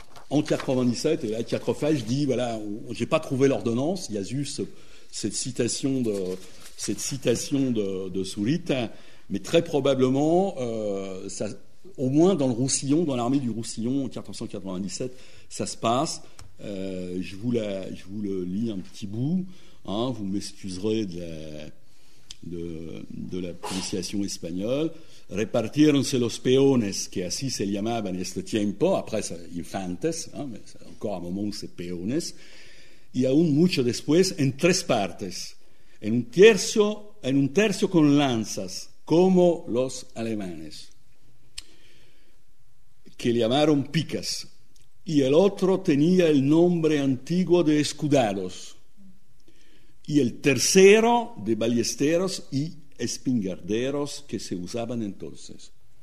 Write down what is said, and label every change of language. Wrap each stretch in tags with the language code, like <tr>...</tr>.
<fr>en 97, et là, Quatrefages dit, voilà, j'ai pas trouvé l'ordonnance, il y a juste cette citation de Zurita, mais très probablement, ça, au moins dans le Roussillon, dans l'armée du Roussillon en 1497, ça se passe. Je vous le lis un petit bout. Hein, vous m'excuserez de la prononciation espagnole.</fr> <es>Repartieronse los peones que así se llamaban este tiempo.</es> <fr>Après, ça, infantes, hein, mais c'est encore un moment où c'est peones.</fr> <es>Y aún mucho después en tres partes, en un tercio con lanzas, como los alemanes, que llamaron picas, y el otro tenía el nombre antiguo de escudados, y el tercero de ballesteros y espingarderos que se usaban entonces.</es>